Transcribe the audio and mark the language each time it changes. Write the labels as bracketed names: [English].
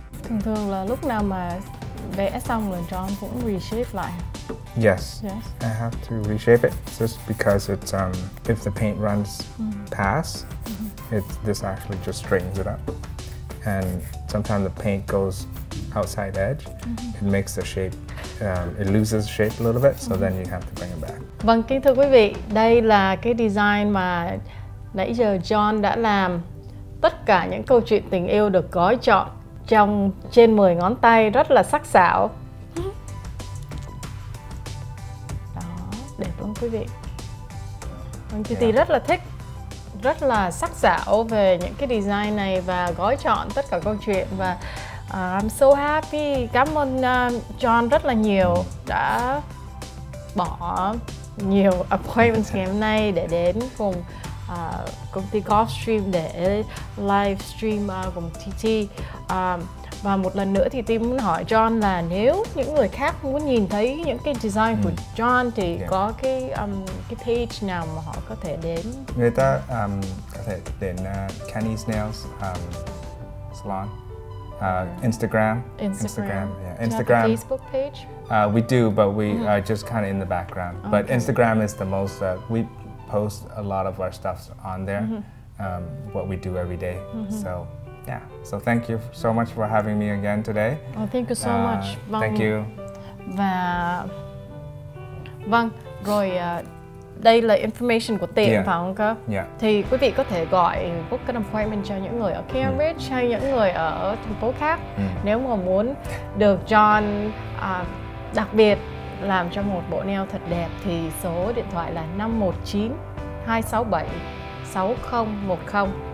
[Vietnamese] Thường thường là lúc nào mà vẽ xong rồi John cũng reshape lại. [English] Yes. Yes. I have to reshape it just because it's if the paint runs mm-hmm. past, mm-hmm. This actually just straightens it up. And sometimes the paint goes outside edge, mm-hmm. it makes the shape, it loses shape a little bit, so mm-hmm. then you have to bring it back. [Vietnamese] Vâng, kính thưa quý vị, đây là cái design mà nãy giờ John đã làm. Tất cả những câu chuyện tình yêu được gói chọn trong trên 10 ngón tay rất là sắc sảo. Đó, đẹp lắm quý vị. Anh Titi rất là thích, rất là sắc sảo về những cái design này và gói chọn tất cả câu chuyện. Và [English] I'm so happy, [Vietnamese] cảm ơn John rất là nhiều đã bỏ nhiều appointments ngày hôm nay để đến cùng công ty Godstream để live stream cùng Titi. Và một lần nữa thì Tim muốn hỏi John là nếu những người khác muốn nhìn thấy những cái design của John thì có cái page nào mà họ có thể đến? Người ta có thể đến Kenny's Nails Salon, Instagram. [English] Yeah. Instagram. Do you have a Facebook page? We do, but we are just kind of in the background. Okay. But Instagram is the most, we post a lot of our stuff on there, mm-hmm. What we do every day. Mm-hmm. So. Yeah. So thank you so much for having me again today. Oh, thank you so much. Thank you. [Vietnamese] Và vâng, rồi đây là information của Tim phải không cơ? [English] Yeah. [Vietnamese] Thì quý vị có thể gọi [English] book an appointment [Vietnamese] cho những người ở Cambridge hay những người ở thành phố khác nếu mà muốn được John đặc biệt làm cho một bộ nail thật đẹp thì số điện thoại là 519-267-6010.